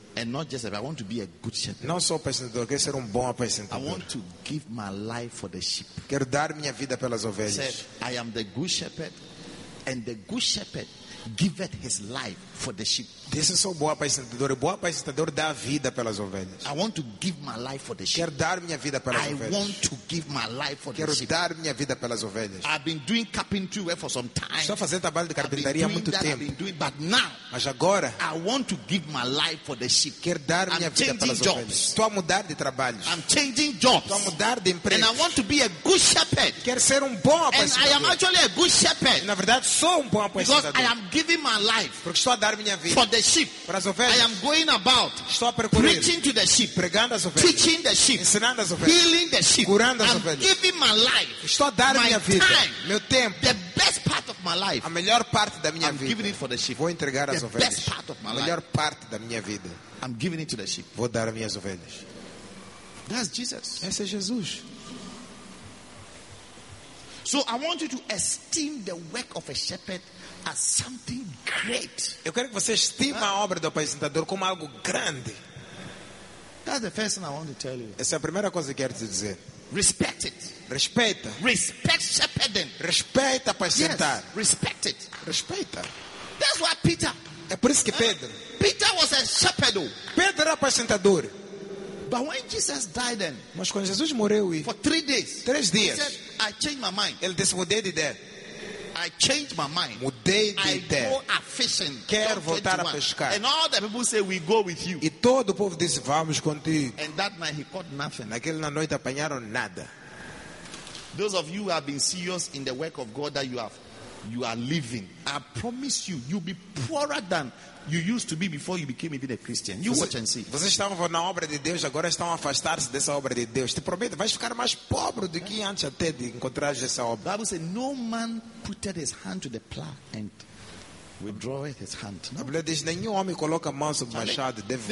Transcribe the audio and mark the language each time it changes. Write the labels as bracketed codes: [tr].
[en] And not just that, I want to be a good shepherd. [pt] Não sou apacentador, quero ser bom apacentador. [en] I want to give my life for the sheep. [pt] Quero dar minha vida pelas ovelhas. [en] He said, I am the good shepherd, and the good shepherd giveth his life for the sheep. [pt] Disse, sou bom apacentador, dá vida pelas ovelhas. [en] I want to give my life for the sheep. [pt] Quero dar minha vida pelas [en] I [pt] ovelhas. [en] I want to give my life for [pt] quero [en] the sheep. [pt] Quero dar minha vida pelas ovelhas. [en] I've been doing carpentry for some time. [pt] Estou fazendo trabalho de carpintaria há muito [en] that, [pt] tempo. [en] I've been doing, but now, [pt] mas agora, [en] I want to give my life for the sheep. [pt] Quero dar [en] I'm [pt] minha vida pelas [en] jobs. [pt] Ovelhas. Estou a mudar de trabalho. [en] I'm changing jobs. [pt] Estou a mudar de emprego. [en] And I want to be a good shepherd. [pt] Quero ser bom apacentador. [en] And I am actually a good shepherd. [pt] Na verdade, sou bom apacentador. [en] Giving my life [pt] porque estou a dar minha vida [en] for the sheep. [pt] Para as ovelhas. [en] I am going about [pt] estou a percorrer, [en] preaching to the sheep, [pt] pregando as ovelhas, [en] teaching the sheep, [pt] ensinando as ovelhas, [en] healing the sheep, [pt] curando as [en] I'm [pt] ovelhas. [en] Giving my life, [pt] estou a dar [en] my [pt] minha vida, [en] time, [pt] meu tempo, [en] the best part of my life, [pt] a melhor parte da minha [en] I'm [pt] vida. [en] Giving it for the sheep. [pt] Vou entregar [en] the [pt] as ovelhas, [en] best part of my [pt] a melhor [en] life. [pt] Parte da minha vida. [en] I'm giving it to the sheep. [pt] Vou dar as minhas ovelhas. [en] That's Jesus. [pt] Esse é Jesus. [en] So I want you to esteem the work of a shepherd as something great. [pt] Eu quero que você estime a obra do apacentador como algo grande. [en] That's the first thing I want to tell you. [pt] Essa é a primeira coisa que quero te dizer. [en] Respect it. [pt] Respeita. [en] Respect shepherding. [pt] Respeita apacentar. [en] Yes, respect it. [pt] Respeita. [en] That's why Peter. [pt] É por isso que Pedro. [en] Peter was a shepherd. [pt] Pedro era apacentador. [en] But when Jesus died then, [pt] mas quando Jesus morreu e [en] for 3 days, [pt] 3 dias, [en] he said, I changed my mind. [pt] Ele disse, mudei de ideia. [en] I changed my mind. [pt] Mudei de ideia. [en] I go a fishing. [pt] Quero voltar a pescar. [en] And all the people say, we go with you. [pt] E todo o povo disse, vamos contigo. [en] And that night he caught nothing. [pt] Naquela noite apanharam nada. [en] Those of you who have been serious in the work of God that you are living, I promise you, you'll be poorer than you used to be before you became even a Christian. You watch and see. [pt] Vocês estavam na obra de Deus, agora estão afastados dessa obra de Deus. Te prometo, vais ficar mais pobre do que antes até de encontrar essa obra. [en] Bible says, no man put his hand to the plow and withdraw his hand. [pt] A Bíblia diz, nenhum homem coloca a mão sobre o machado, deve